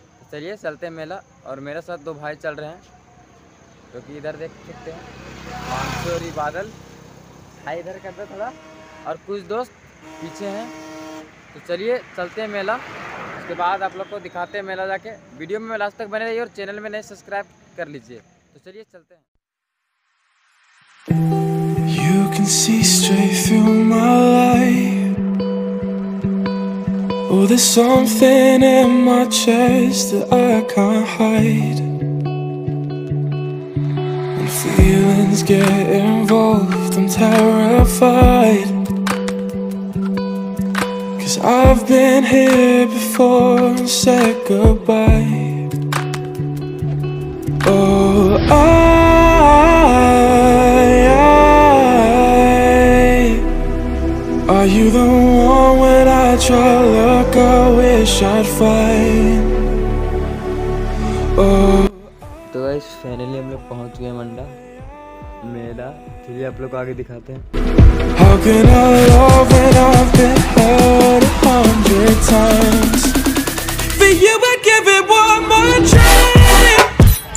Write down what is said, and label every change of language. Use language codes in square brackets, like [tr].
[hi] चलिए चलते हैं मेला, और मेरे साथ दो भाई चल रहे हैं, क्योंकि इधर देख सकते हैं मानसूरी बादल हाई इधर करते थोड़ा, और कुछ दोस्त पीछे हैं। तो चलिए चलते हैं मेला, उसके बाद आप लोग को दिखाते हैं मेला जाके। वीडियो में लास्ट तक बने रहिए और चैनल में नए सब्सक्राइब कर लीजिए। तो चलिए चलते हैं। [en] You can see straight through my life. Oh, there's something in my chest that I can't hide. When feelings get involved, I'm terrified. I've been here before and said goodbye. Oh, I are you the one when I try to look? I wish I'd find. [hi] Oh, तो guys, finally हम लोग पहुंच गए मंडा मेला। चलिए आप लोग आगे दिखाते हैं। [en] How can I love when I've been hurt 100 times? For you I give it one more chance.